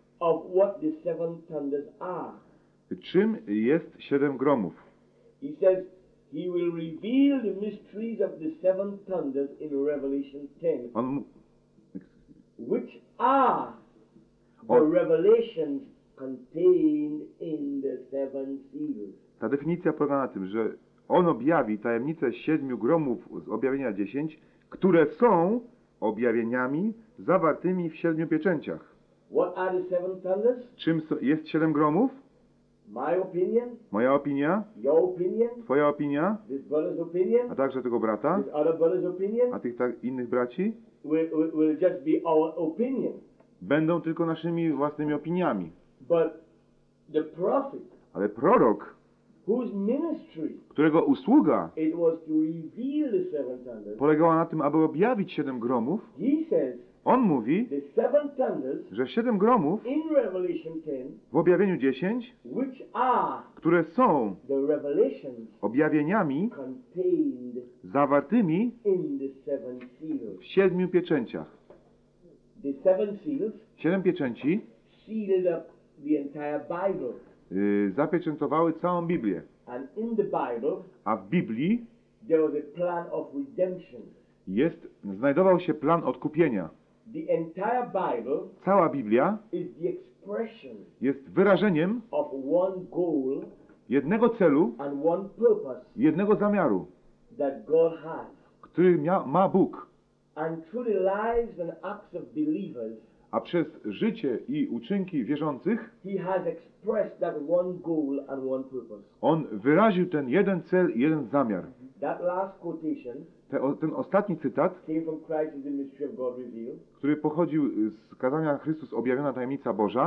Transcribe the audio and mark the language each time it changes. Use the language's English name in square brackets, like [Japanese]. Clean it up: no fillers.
[English] of what the seven thunders are. [Polish] Czym jest siedem gromów? [English] He says he will reveal the mysteries of the seven thunders in Revelation 10. Which are the revelations contained in the seven seals. [Polish] Ta definicja polega na tym, że on objawi tajemnice siedmiu gromów z objawienia 10, które są objawieniami zawartymi w siedmiu pieczęciach. [English] What are the seven thunders? [Polish] Czym jest siedem gromów? [English] My opinion, [Polish] moja opinia, [English] your opinion, [Polish] twoja opinia, [English] this brother's opinion, [Polish] a także tego brata, [English] this other brother's opinion, [Polish] a tych innych braci, [English] will just be our opinion. [Polish] Będą tylko naszymi własnymi opiniami. [English] But the prophet, [Polish] ale prorok, [English] whose ministry, [Polish] którego usługa [English] it was to reveal the seven thunders, [Polish] polegała na tym, aby objawić siedem gromów, [English] he says, [Polish] on mówi, [English] the seven thunders, [Polish] że siedem gromów [English] in Revelation 10, [Polish] w objawieniu 10, [English] which are, [Polish] które są [English] the revelations, [Polish] objawieniami [English] contained, [Polish] zawartymi [English] in the seven seals, [Polish] w siedmiu pieczęciach. [English] The seven seals, [Polish] siedem pieczęci [English] sealed up the entire Bible, [Polish] zapieczętowały całą Biblię. [English] And in the Bible, [Polish] a w Biblii [English] there was a plan of redemption. [Polish] Znajdował się plan odkupienia. [English] The entire Bible, [Polish] cała Biblia, [English] is the expression, [Polish] jest wyrażeniem [English] of one goal, [Polish] jednego celu, [English] and one purpose, [Polish] jednego zamiaru, [English] that God has, [Polish] który ma Bóg. [English] And through the lives and acts of believers, [Polish] a przez życie i uczynki wierzących, [English] he has expressed that one goal and one purpose. [Polish] On wyraził ten jeden cel i jeden zamiar. [English] That last quotation, [Polish] ten ostatni cytat, [English] came from Christ in the mystery of God revealed, [Polish] który pochodził z kazania Chrystus objawiona tajemnica Boża,